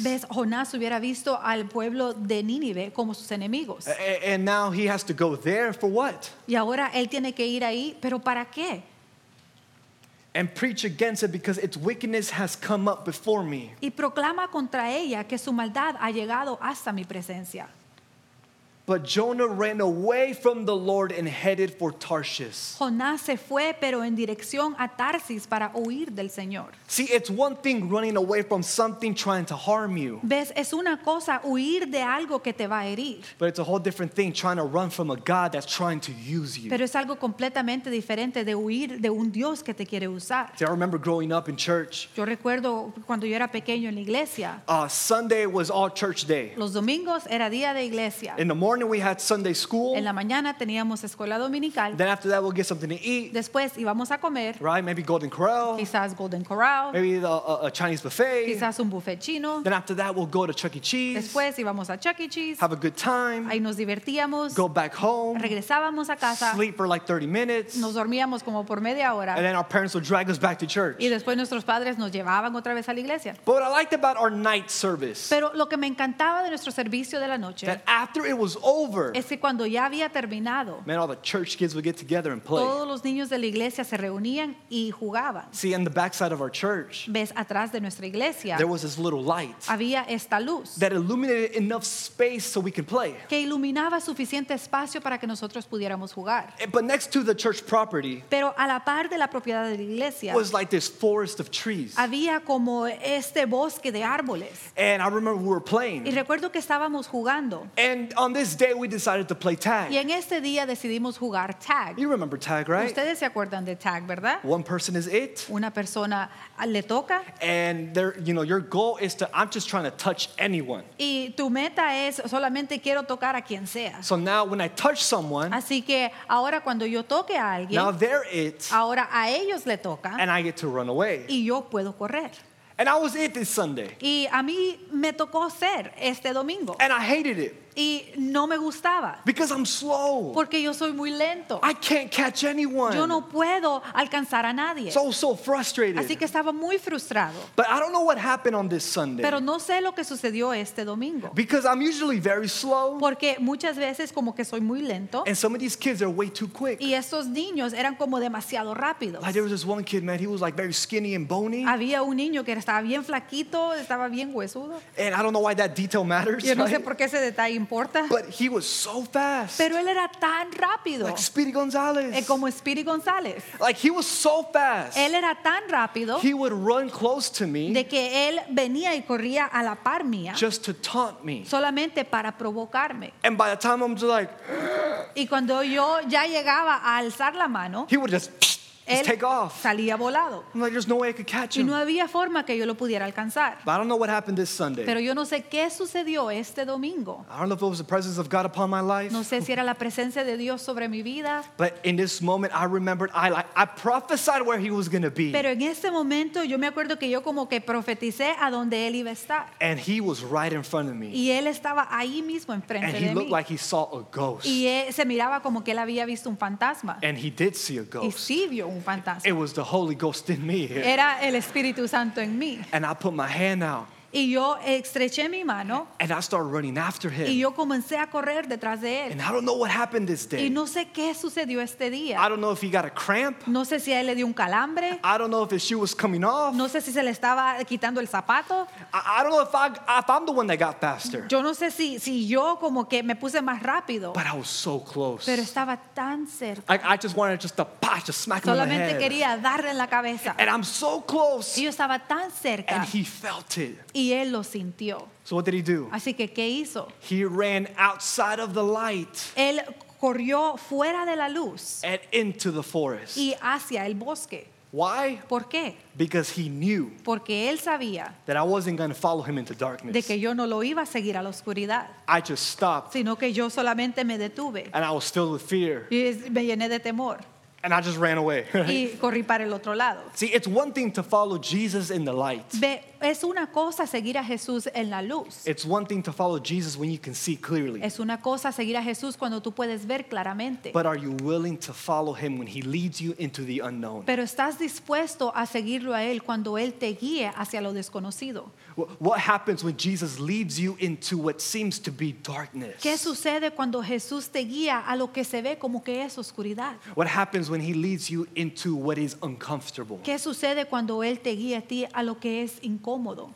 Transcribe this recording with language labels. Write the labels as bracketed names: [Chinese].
[Spanish] ¿Ves? Jonás hubiera visto al pueblo de Nínive como sus enemigos. [English] And now he has to go there for what? [Spanish] Y ahora él tiene que ir ahí, ¿pero para qué? [English] And preach against it because its wickedness has come up before me. [Spanish] Y proclama contra ella que su maldad ha llegado hasta mi presencia. [English] But Jonah ran away from the Lord and headed for Tarshish. [Spanish] Jonás se fue, pero en dirección a Tarsis para huir del Señor. [English] See, it's one thing running away from something trying to harm you. [Spanish] Ves, es una cosa huir de algo que te va a herir. [English] But it's a whole different thing trying to run from a God that's trying to use you. [Spanish] Pero es algo completamente diferente de huir de un Dios que te quiere usar. [English] See, I remember growing up in church. [Spanish] Yo recuerdo cuando yo era pequeño en la iglesia. [English] Sunday was all church day. [Spanish] Los domingos era día de iglesia. [English] Morning we had Sunday school. [Spanish] En la mañana teníamos escuela dominical. [English] Then after that we'll get something to eat. [Spanish] Después íbamos a comer. [English] Right, maybe Golden Corral. [Spanish] Quizás Golden Corral. [English] Maybe a Chinese buffet. [Spanish] Quizás un buffet chino. [English] Then after that we'll go to Chuck E. Cheese. [Spanish] Después íbamos a Chuck E. Cheese. [English] Have a good time. [Spanish] Ahí nos divertíamos. [English] Go back home. [Spanish] Regresábamos a casa. [English] Sleep for like 30 minutes. [Spanish] Nos dormíamos como por media hora. [English] And then our parents would drag us back to church. [Spanish] Y después nuestros padres nos llevaban otra vez a la iglesia. [English] But what I liked about our night service. [Spanish] Pero lo que me encantaba de nuestro servicio de la noche. [English] That after it was over. [Spanish] Es que cuando ya había terminado, [English] man, all the church kids would get together and play. [Spanish] Todos los niños de la iglesia se reunían y jugaban. [English] See, in the backside of our church, [Spanish] ves atrás de nuestra iglesia, [English] there was this little light. [Spanish] Había esta luz [English] that illuminated enough space so we could play. [Spanish] Que iluminaba suficiente espacio para que nosotros pudiéramos jugar. [English] But next to the church property, [Spanish] pero a la par de la propiedad de la iglesia, [English] was like this forest of trees. [Spanish] Había como este bosque de árboles. [English] And I remember we were playing. [Spanish] Y recuerdo que estábamos jugando. [English] And on this day we decided to play tag. [Spanish] Y en este día decidimos jugar tag. [English] You remember tag, right? [Spanish] Ustedes se acuerdan de tag, ¿verdad? [English] One person is it. [Spanish] Una persona le toca. [English] And your goal is to, I'm just trying to touch anyone. [Spanish] Y tu meta es solamente quiero tocar a quien sea. [English] So now when I touch someone, [Spanish] así que ahora cuando yo toque a alguien, [English] now they're it. [Spanish] Ahora a ellos le toca. [English] And I get to run away. [Spanish] Y yo puedo correr. [English] And I was it this Sunday. [Spanish] Y a mí me tocó ser este domingo. [English] And I hated it. [Spanish] Y no me gustaba. [English] Because I'm slow. [Spanish] Porque yo soy muy lento. [English] I can't catch anyone. [Spanish] Yo no puedo alcanzar a nadie. [English] So frustrated. [Spanish] Así que estaba muy frustrado. [English] But I don't know what happened on this Sunday. [Spanish] Pero no sé lo que sucedió este domingo. [English] Because I'm usually very slow. [Spanish] Porque muchas veces como que soy muy lento. [English] And some of these kids are way too quick. [Spanish] Y estos niños eran como demasiado rápidos. [English] Like there was this one kid, man, he was like very skinny and bony. [Spanish] Había un niño que estaba bien flaquito, estaba bien huesudo. [English] And I don't know why that detail matters. [Spanish] Yo no sé por qué ese detalle importa. [English] But he was so fast. [Spanish] Pero él era tan rápido. [English] Like Speedy Gonzalez. [Spanish] Como Speedy Gonzalez. [English] Like he was so fast. [Spanish] Él era tan rápido. [English] He would run close to me. [Spanish] De que él venía y corría a la par mía. [English] Just to taunt me. [Spanish] Solamente para provocarme. [English] And by the time I'm just like. [Spanish] Y cuando yo ya llegaba a alzar la mano. [English] He would just take off. [Spanish] Salía volado. [English] I'm like, there's no way I could catch him. [Spanish] Y no había forma que yo lo pudiera alcanzar. [English] But I don't know what happened this Sunday. [Spanish] Pero yo no sé qué sucedió este domingo. [English] I don't know if it was the presence of God upon my life. [Spanish] No sé si era la presencia de Dios sobre mi vida. [English] But in this moment, I remembered, I prophesied where he was going to be. [Spanish] Pero en este momento, yo me acuerdo que yo como que profeticé a donde él iba a estar. [English] And he was right in front of me. [Spanish] Y él estaba ahí mismo enfrente de mí. [English] And he looked like he saw a ghost. [Spanish] Y se miraba como que él había visto un fantasma. [English] And he did see a ghost. [Spanish] Y sí vio. [English] It was the Holy Ghost in me. [Spanish] Era el Espíritu Santo en mí. [English] And I put my hand out. [Spanish] Y yo estreché mi mano. [English] And I started running after him. [Spanish] Y yo comencé a correr detrás de él. [English] And I don't know what happened this day. [Spanish] Y no sé qué sucedió este día. [English] I don't know if he got a cramp. [Spanish] No sé si a él le dio un calambre. [English] I don't know if his shoe was coming off. [Spanish] No sé si se le estaba quitando el zapato. [English] I don't know if I'm the one that got faster. [Spanish] Yo no sé si yo como que me puse más rápido. [English] But I was so close. [Spanish] Pero estaba tan cerca. [English] I just wanted just to smack him in the head. [Spanish] Solamente quería darle en la cabeza. [English] And I'm so close. [Spanish] Y yo estaba tan cerca. [English] And he felt it. [Spanish] Y él lo sintió. [English] So what did he do? [Spanish] Así que, ¿qué hizo? [English] He ran outside of the light. [Spanish] Él corrió fuera de la luz. [English] And into the forest. [Spanish] Y hacia el bosque. [English] Why? [Spanish] ¿Por qué? [English] Because he knew. [Spanish] Porque él sabía. [English] That I wasn't going to follow him into darkness. [Spanish] De que yo no lo iba a seguir a la oscuridad. [English] I just stopped. [Spanish] Sino que yo solamente me detuve. [English] And I was filled with fear. [Spanish] Y me llené de temor. [English] And I just ran away. [Spanish] Y corrí para el otro lado. [English] See, it's one thing to follow Jesus in the light. [Spanish] Ve, es una cosa seguir a Jesús en la luz. [English] It's one thing to follow Jesus when you can see clearly. [Spanish] Es una cosa seguir a Jesús cuando tú puedes ver claramente. [English] But are you willing to follow him when he leads you into the unknown? [Spanish] Pero estás dispuesto a seguirlo a él cuando él te guíe hacia lo desconocido. [English] What happens when Jesus leads you into what seems to be darkness? [Spanish] ¿Qué sucede cuando Jesús te guía a lo que se ve como que es oscuridad? [English] What happens when he leads you into what is uncomfortable? [Spanish] ¿Qué sucede cuando él te guía a ti a lo que es incómodo?